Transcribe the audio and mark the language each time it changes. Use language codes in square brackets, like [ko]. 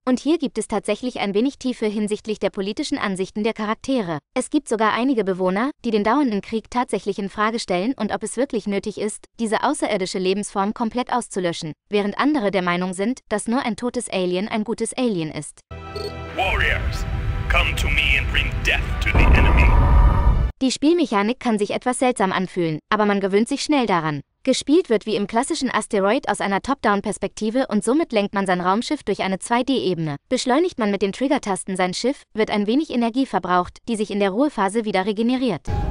[de] Und hier gibt es tatsächlich ein wenig Tiefe hinsichtlich der politischen Ansichten der Charaktere. Es gibt sogar einige Bewohner, die den dauernden Krieg tatsächlich in Frage stellen und ob es wirklich nötig ist, diese außerirdische Lebensform komplett auszulöschen, während andere der Meinung sind, dass nur ein totes Alien ein gutes Alien ist. [en] Warriors, come to me and bring death to the enemy. [de] Die Spielmechanik kann sich etwas seltsam anfühlen, aber man gewöhnt sich schnell daran. Gespielt wird wie im klassischen Asteroid aus einer Top-Down-Perspektive und somit lenkt man sein Raumschiff durch eine 2D-Ebene. Beschleunigt man mit den Trigger-Tasten sein Schiff, wird ein wenig Energie verbraucht, die sich in der Ruhephase wieder regeneriert.